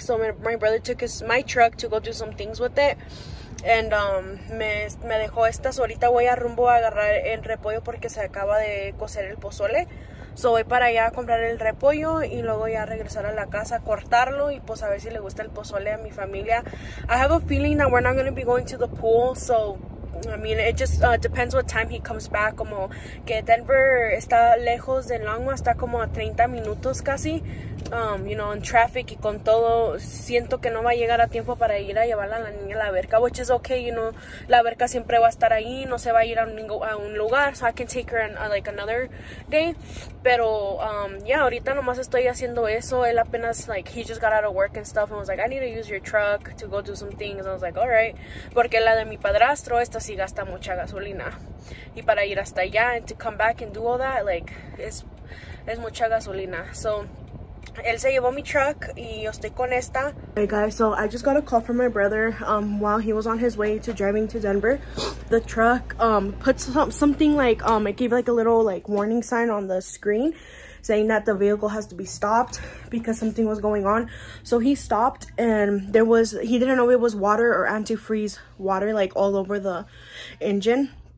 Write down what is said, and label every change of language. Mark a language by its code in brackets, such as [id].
[en] So my brother took my truck to go do some things with it. And me dejó estas. [es] So ahorita voy a rumbo a agarrar el repollo porque se acaba de cocer el pozole. So voy para allá a comprar el repollo y luego ya regresar a la casa, cortarlo y pues a ver si le gusta el pozole a mi familia. [en] I have a feeling that we're not going to be going to the pool, so I mean, it just depends what time he comes back. [es] Como que Denver está lejos de Longmont, está como a 30 minutos casi. You know, in traffic y con todo, siento que no va a llegar a tiempo para ir a llevar a la niña a la alberca, which is okay, you know. La alberca siempre va a estar ahí, no se va a ir a un lugar. [en] So I can take her like another day. Pero, yeah, ahorita nomás estoy haciendo eso. Él apenas, like, he just got out of work and stuff. And was like, I need to use your truck to go do some things. I was like, all right. [es] Porque la de mi padrastro, esta sí gasta mucha gasolina. Y para ir hasta allá and to come back and do all that, like, es mucha gasolina. So, él se llevó mi truck y yo estoy con esta. [en] Hey guys, so I just got a call from my brother while he was on his way to driving to Denver. The truck put something like, it gave like a little like warning sign on the screen. saying that the vehicle has to be stopped because something was going on. So he stopped, and there was, he didn't know it was water or antifreeze water, like all over the engine.